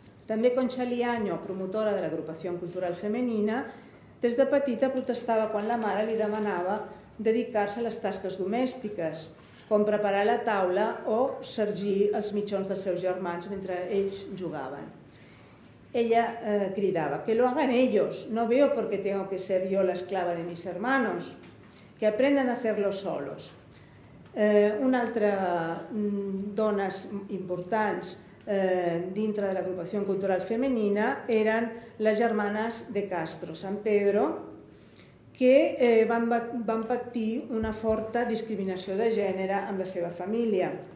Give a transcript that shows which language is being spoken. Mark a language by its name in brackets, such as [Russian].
[Catalan] També Concha Liaño, promotora de l'Agrupació Cultural Femenina, des de petita protestava quan la mare li demanava dedicar-se a les tasques domèstiques, com preparar la taula o sergir els mitjons dels seus germans mentre ells jugaven. Ella cridava, [Spanish] que lo hagan ellos, no veo por qué tengo que ser yo la esclava de mis hermanos, que aprendan a hacerlo solos. [Catalan] Una altra dona important dintre de l'Agrupació Cultural Femenina eren les germanes de Castro, San Pedro, que van patir una forta discriminació de gènere amb la seva família.